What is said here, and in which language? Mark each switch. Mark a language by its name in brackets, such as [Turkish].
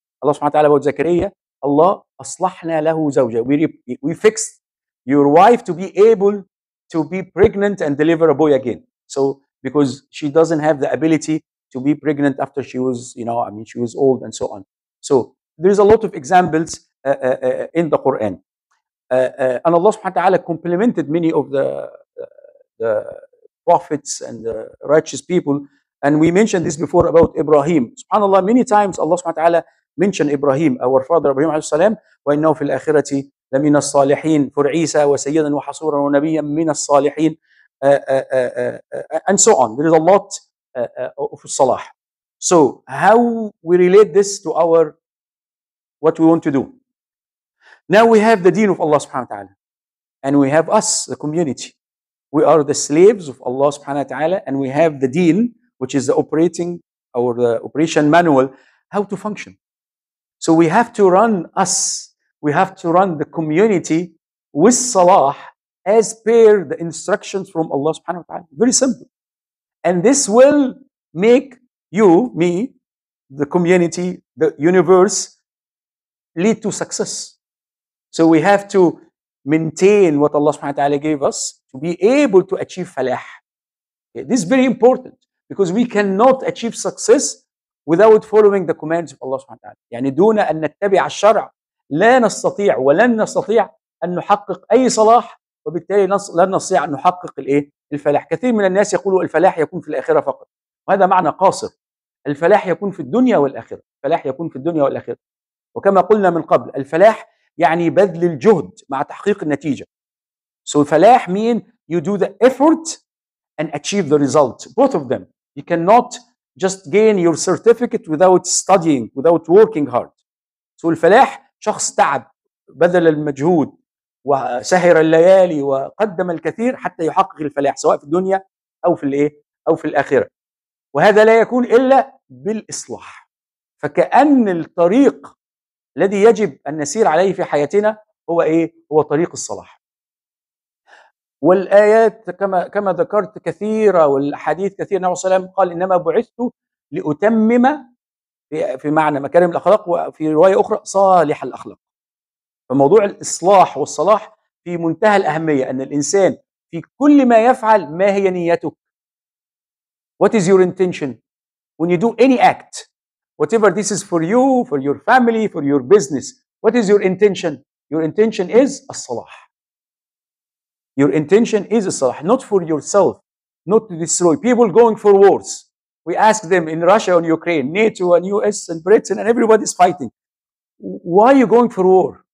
[Arabic] الله سبحانه وتعالى about زكريا, الله أصلحنا له زوجة. [English] We fixed your wife to be able to be pregnant and deliver a boy again. So because she doesn't have the ability to be pregnant after she was, you know, I mean, she was old and so on. So there is a lot of examples in the Quran. And Allah subhanahu wa ta'ala complimented many of the prophets and the righteous people. And we mentioned this before about Ibrahim. Subhanallah, many times Allah subhanahu wa ta'ala mentioned Ibrahim, our father Ibrahim alayhi salam. [Arabic] وَإِنَّهُ فِي الْآخِرَةِ لَمِنَ الصَّالِحِينَ فُرْعِيسَ وَسَيِّدًا وَحَصُورًا وَنَبِيًّا مِنَ الصَّالِحِينَ [English] and so on. There is a lot of الصلاح. So how we relate this to our what we want to do? Now we have the deen of Allah subhanahu wa ta'ala and we have us, the community. We are the slaves of Allah subhanahu wa ta'ala and we have the deen, which is the operating or the operation manual, how to function. So we have to run us, we have to run the community with salah as per the instructions from Allah subhanahu wa ta'ala. Very simple. And this will make you, me, the community, the universe, lead to success. So we have to maintain what Allah subhanahu wa ta'ala gave us to be able to achieve falah. Okay, this is very important because we cannot achieve success without following the commands of Allah subhanahu wa ta'ala. [Arabic] يعني دون أن نتبع الشرع لا نستطيع ولن نستطيع أن نحقق أي صلاح وبالتالي لن نستطيع أن نحقق الإيه؟ الفلاح. كثير من الناس يقولوا الفلاح يكون في الآخرة فقط. وهذا معنى قاصر. الفلاح يكون في الدنيا والآخرة. الفلاح يكون في الدنيا والآخرة. وكما قلنا من قبل الفلاح يعني بذل الجهد مع تحقيق النتيجة. [English] So فلاح mean you do the effort and achieve the result. Both of them. You cannot just gain your certificate without studying, without working hard. [Arabic] So الفلاح شخص تعب بذل المجهود وسهر الليالي وقدم الكثير حتى يحقق الفلاح سواء في الدنيا أو في الإيه أو في الآخرة. وهذا لا يكون إلا بالإصلاح. فكأن الطريق الذي يجب أن نسير عليه في حياتنا هو إيه؟ هو طريق الصلاح. والآيات كما ذكرت كثيرة والحديث كثير. النبي صلى الله عليه وسلم قال إنما بعثت لأتمم في معنى مكارم الأخلاق، وفي رواية أخرى صالح الأخلاق. فموضوع الإصلاح والصلاح في منتهى الأهمية، أن الإنسان في كل ما يفعل ما هي نيته؟ [English] What is your intention when you do any act? Whatever this is for you, for your family, for your business. What is your intention? Your intention is الصلاح. Your intention is الصلاح. Not for yourself. Not to destroy. People going for wars. We ask them in Russia and Ukraine, NATO and US and Britain and everybody is fighting. Why are you going for war?